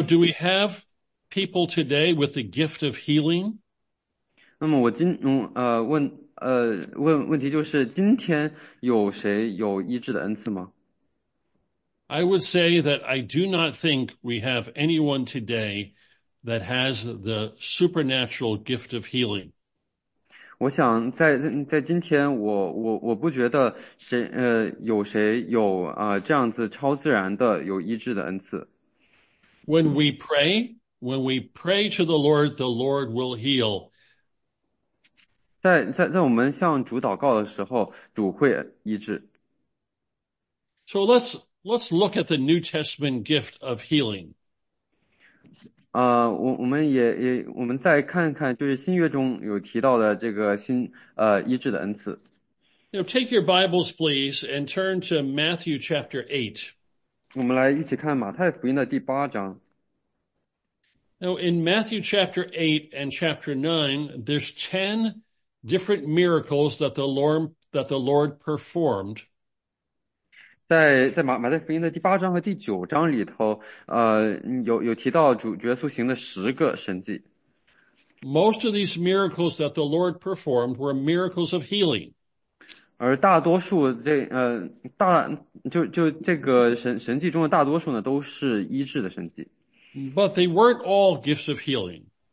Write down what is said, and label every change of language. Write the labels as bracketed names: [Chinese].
[English] do we have people today with the gift of healing? [Chinese] 那么问题就是今天有谁有医治的恩赐吗？ [English] I would say that I do not think we have anyone today that has the supernatural gift of healing. [Chinese] 我想在今天我不觉得谁有这样子超自然的有医治的恩赐。 [English] When we pray, when we pray to the Lord will heal. [Chinese] 在我们向主祷告的时候，主会医治。 [English] So let's look at the New Testament gift of healing. [Chinese] 我们再看看，就是新约中有提到的这个医治的恩赐。 [English] Now take your Bibles, please, and turn to Matthew chapter 8. [Chinese] 我们来一起看马太福音的第八章。 [English] Now in Matthew chapter 8 and chapter 9, there's 10 different miracles that the Lord performed. [Chinese] 在马太福音的第八章和第九章里头，有提到主耶稣行的十个神迹。 [English] Most of these miracles that the Lord performed were miracles of healing. [Chinese] 而大多数这个神迹中的大多数呢，都是医治的神迹。 [English] But they weren't all gifts of healing.